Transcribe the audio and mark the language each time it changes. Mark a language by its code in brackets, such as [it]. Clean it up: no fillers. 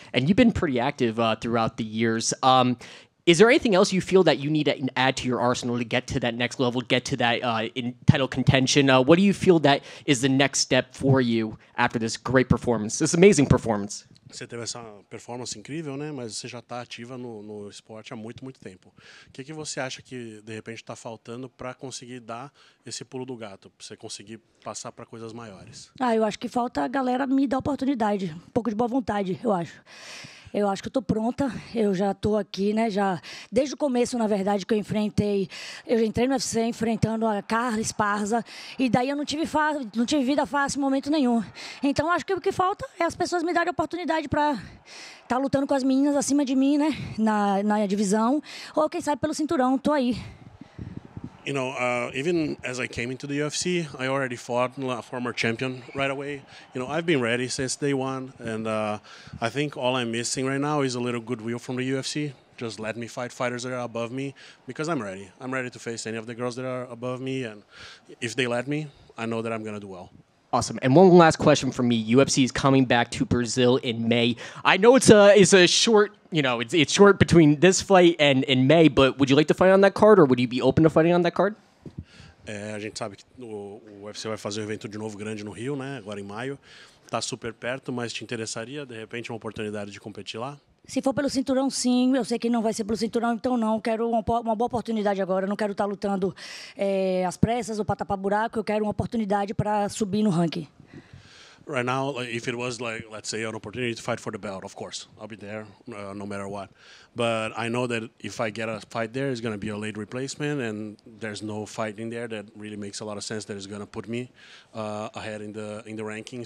[en] And you've been pretty active throughout the years. Is there anything else you feel that you need to add to your arsenal to get to that next level, get to that in title contention? What do you feel that is the next step for you after this great performance, this amazing performance? [pt] Você teve essa performance incrível, né? Mas você já está ativa no esporte há muito, muito tempo. O que você acha que, de repente, está faltando para conseguir dar esse pulo do gato, para você conseguir passar para coisas maiores? Ah, eu acho que falta a galera me dar oportunidade, um pouco de boa vontade, eu acho. Eu acho que eu estou pronta, eu já estou aqui, né? Já desde o começo, na verdade, que eu enfrentei, eu já entrei no UFC enfrentando a Carla Esparza, e daí eu não tive vida fácil em momento nenhum. Então, acho que o que falta é as pessoas me darem oportunidade para estar lutando com as meninas acima de mim, né? Na divisão, ou quem sabe pelo cinturão, estou aí. [en] You know, even as I came into the UFC, I already fought a former champion right away. You know, I've been ready since day one, and I think all I'm missing right now is a little goodwill from the UFC. Just let me fight fighters that are above me, because I'm ready. I'm ready to face any of the girls that are above me, and if they let me, I know that I'm going to do well. Awesome. And one last question for me. UFC is coming back to Brazil in May. I know it's a short, you know, it's short between this fight and in May, but would you like to fight on that card or would you be open to fighting on that card? [pt] A gente sabe que o UFC vai fazer um evento de novo grande no Rio, né? Agora em maio. Tá super perto, mas te interessaria de repente uma oportunidade de competir lá? Se for pelo cinturão, sim. Eu sei que não vai ser pelo cinturão, então não. Quero uma boa oportunidade agora. Não quero estar lutando às pressas ou para tapar buraco. Eu quero uma oportunidade para subir no ranking. [en] Right now, if it was like, let's say, an opportunity to fight for the belt, of course, I'll be there, no matter what. But I know that if I get a fight there, it's going to be a late replacement, and there's no fight in there that really makes a lot of sense that is going to put me ahead in the ranking.